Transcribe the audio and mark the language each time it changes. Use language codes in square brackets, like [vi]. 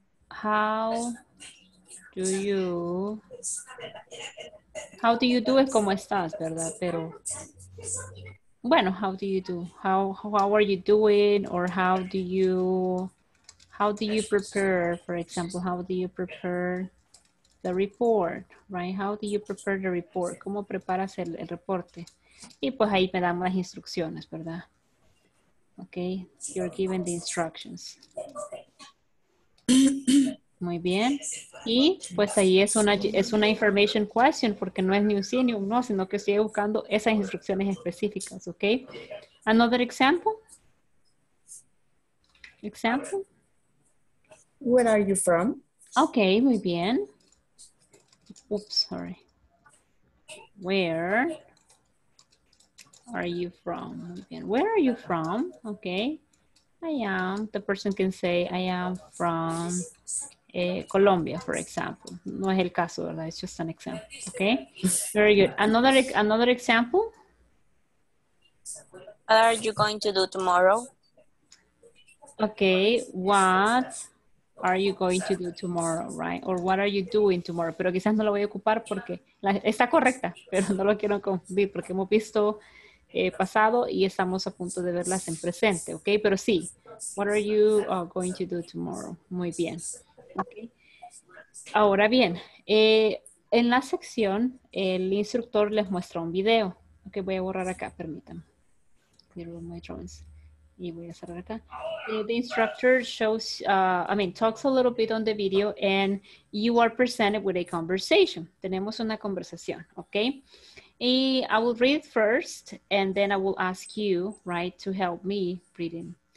[en] How do you do [es] es como estás, ¿verdad? Pero, bueno, [en] how do you do? How are you doing? Or how do you prepare, for example, how do you prepare the report, right? How do you prepare the report? [es] ¿Cómo preparas el reporte? Y pues ahí me damos las instrucciones, ¿verdad? [en] Okay, you're given the instructions. [es] Muy bien. Y pues ahí es una information question porque no es ni un sí ni un no, sino que sigue buscando esas instrucciones específicas, okay? [en] Another example? Example? Where are you from? Okay, [es] muy bien. [en] Oops, sorry. Where are you from? Where are you from? Okay. I am. The person can say, I am from Colombia, for example. [es] No es el caso, ¿verdad? [en] It's just an example. Okay. Very good. Another example. What are you going to do tomorrow? Okay. What are you going to do tomorrow, right? Or what are you doing tomorrow? [es] Pero quizás no lo voy a ocupar porque está correcta, pero no lo quiero confundir porque hemos visto pasado y estamos a punto de verlas en presente, okay? Pero sí, [en] what are you going to do tomorrow? [es] Muy bien, okay. Ahora bien, en la sección, el instructor les muestra un video. Ok, voy a borrar acá, permítanme. [en] Clear my drawings. [es] Y voy a cerrar acá. [en] The instructor shows, talks a little bit on the video and you are presented with a conversation. [es] Tenemos una conversación, [en] okay? I will read it first and then I will ask you, right, to help me reading.